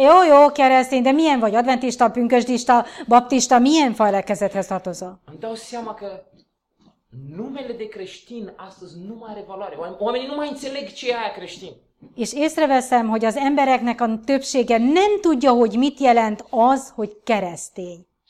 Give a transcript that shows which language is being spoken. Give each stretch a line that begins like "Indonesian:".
Hungarian: Jó, keresztény, de milyen vagy? Adventista, pünkösdista, baptista, milyen faj lelkezethez tartozol?
Romanian: Îmi dau seama că numele de creștin astăzi nu mai are valoare. Oamenii nu mai înțeleg ce e aia creștin.
Hungarian: És észreveszem, hogy az embereknek a többsége nem tudja, hogy mit jelent az, hogy keresztény.